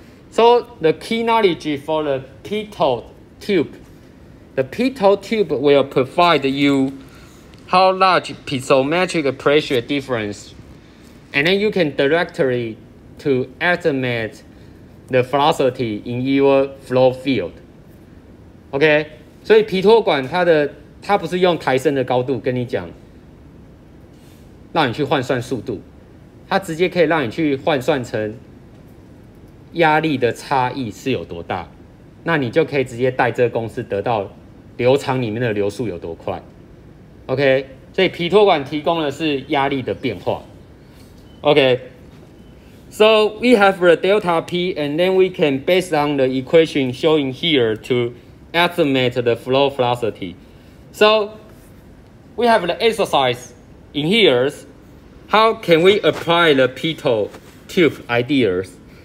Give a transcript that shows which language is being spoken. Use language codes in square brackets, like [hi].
[en] So the key knowledge for the pitot tube, will provide you how large pitotmetric pressure difference, and then you can directly to estimate the velocity in your flow field. [zh] Okay, 所以皮托管它的它不是用抬升的高度跟你讲，让你去换算速度，它直接可以让你去换算成压力的差异是有多大，那你就可以直接带这个公式得到流厂里面的流速有多快。 OK， 所以皮托管提供的是压力的变化。 [en] OK， so we have the delta P, and then we can based on the equation showing here to estimate the flow velocity. So we have the exercise in here. How can we apply the pitot tube ideas?